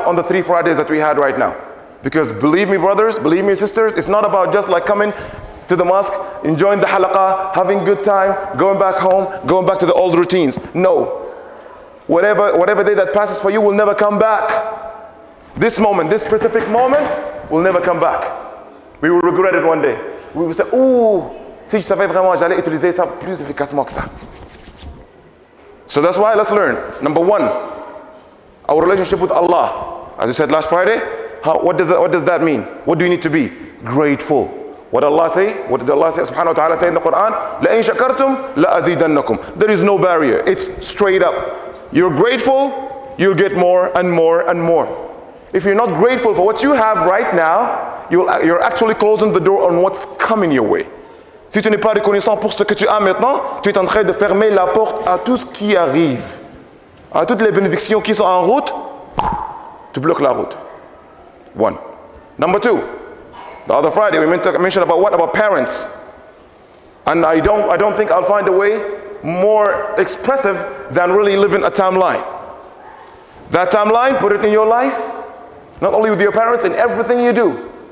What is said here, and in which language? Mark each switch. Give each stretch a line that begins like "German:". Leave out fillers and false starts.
English: On the three Fridays that we had right now. Because believe me, brothers, believe me, sisters, it's not about just like coming to the mosque, enjoying the halaqah, having good time, going back home, going back to the old routines. No. Whatever day that passes for you will never come back. This moment, this specific moment, will never come back. We will regret it one day. We will say, ooh,
French: si je savais vraiment, j'allais utiliser ça plus efficacement que ça.
English: So that's why let's learn. Number one, our relationship with Allah. As you said last Friday, what does that mean? What do you need to be? Grateful. What did Allah say? What did Allah say? Subhanahu wa ta'ala say in the Quran,
Arabic: لَإِن شَكَرْتُمْ لَأَزِيدَنَّكُمْ.
English: There is no barrier. It's straight up. You're grateful, you'll get more and more and more. If you're not grateful for what you have right now, you're actually closing the door on what's coming your way.
French: Si tu n'es pas reconnaissant pour ce que tu as maintenant, tu es en train de fermer la porte à tout ce qui arrive. À toutes les bénédictions qui sont en route, tu bloques la route.
English: One. Number two, the other Friday we mentioned about what? About parents. And I don't think I'll find a way more expressive than really living a timeline. That timeline, put it in your life. Not only with your parents, in everything you do.